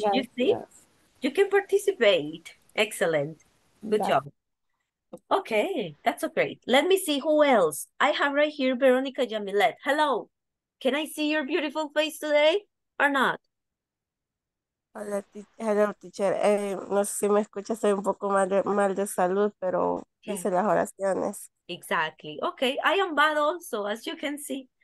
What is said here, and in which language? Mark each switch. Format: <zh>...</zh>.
<es>Gracias.</es> <en>You see, you can participate. Excellent. Good</en> <es>Gracias.</es> <en>job. Okay, that's so great. Let me see who else. I have right here Veronica Jamilet. Hello. Can I see your beautiful face today or not?</en> <es>Hola,</es> <en>hello, teacher.</en> <es>No sé si me escucha, soy un poco mal de salud, pero</es> <en>yes.</en> <es>Hice las oraciones.</es> <en>Exactly. Okay, I am bad also, as you can see.</en>